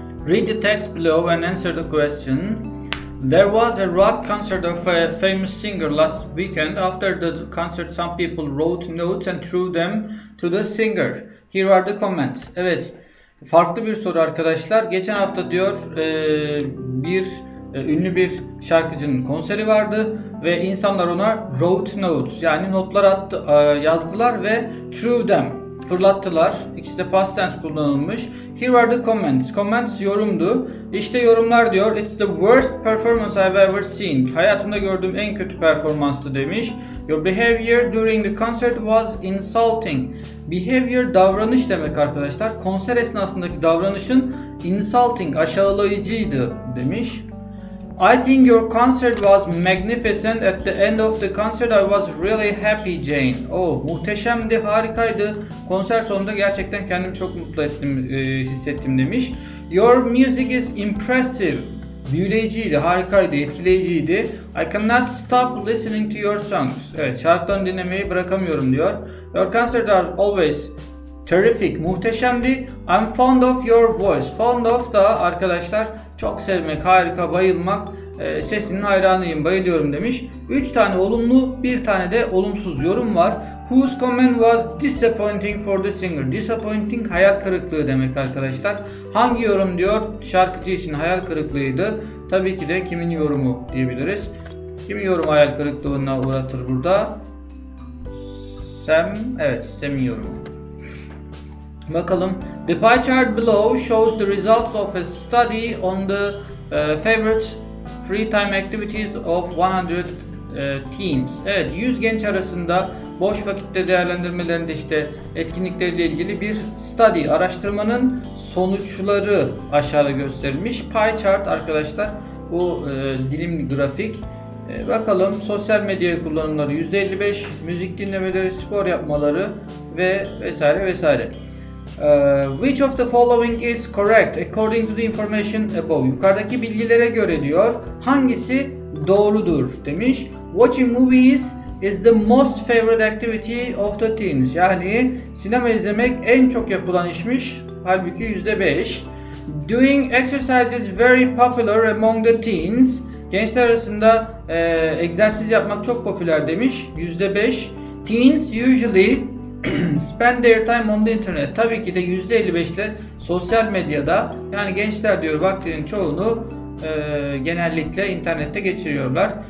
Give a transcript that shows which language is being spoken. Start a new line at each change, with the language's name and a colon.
English: Read the text below and answer the question. There was a rock concert of a famous singer last weekend. After the concert, some people wrote notes and threw them to the singer. Here are the comments.
Turkish: Evet, farklı bir soru arkadaşlar. Geçen hafta diyor bir ünlü bir şarkıcının konseri vardı ve insanlar ona
English: wrote notes,
Turkish: yani notlar attı, yazdılar ve
English: threw them,
Turkish: fırlattılar. İkisi de past tense kullanılmış.
English: Here are the comments.
Turkish: Comments yorumdu. İşte yorumlar diyor.
English: It's the worst performance I've ever seen.
Turkish: Hayatımda gördüğüm en kötü performanstı demiş.
English: Your behavior during the concert was insulting.
Turkish: Behavior davranış demek arkadaşlar. Konser esnasındaki davranışın insulting, aşağılayıcıydı demiş.
English: I think your concert was magnificent. At the end of the concert I was really happy, Jane.
Turkish: Oh, muhteşemdi, harikaydı. Konser sonunda gerçekten kendimi çok mutlu ettim, hissettim demiş.
English: Your music is impressive.
Turkish: Büyüleyiciydi, harikaydı, etkileyiciydi.
English: I cannot stop listening to your songs.
Turkish: Evet, şarkılarını dinlemeyi bırakamıyorum diyor.
English: Your concert are always terrific,
Turkish: muhteşemdi.
English: I'm fond of your voice.
Turkish: Fond of da arkadaşlar çok sevmek, harika, bayılmak, sesinin hayranıyım, bayılıyorum demiş. 3 tane olumlu, 1 tane de olumsuz yorum var.
English: Whose comment was disappointing for the singer?
Turkish: Disappointing, hayal kırıklığı demek arkadaşlar. Hangi yorum diyor şarkıcı için hayal kırıklığıydı? Tabii ki de kimin yorumu diyebiliriz. Kimin yorumu hayal kırıklığına uğratır burada? Sam, evet, Sam'in yorumu. Bakalım.
English: The pie chart below shows the results of a study on the favorite free time activities of 100 teens.
Turkish: Evet, 100 genç arasında boş vakitte değerlendirmelerinde işte etkinlikleriyle ilgili bir study, araştırmanın sonuçları aşağıda gösterilmiş. Pie chart arkadaşlar, bu dilim grafik. Bakalım, sosyal medya kullanımları %55, müzik dinlemeleri, spor yapmaları ve vesaire vesaire.
English: Which of the following is correct according to the information above?
Turkish: Yukarıdaki bilgilere göre diyor, hangisi doğrudur demiş.
English: Watching movies is the most favorite activity of the teens.
Turkish: Yani sinema izlemek en çok yapılan işmiş. Halbuki %5.
English: Doing exercises very popular among the teens.
Turkish: Gençler arasında egzersiz yapmak çok popüler demiş. %5.
English: Teens usually spend their time on the internet.
Turkish: Tabii ki de %55'le sosyal medyada, yani gençler diyor vaktinin çoğunu genellikle internette geçiriyorlar.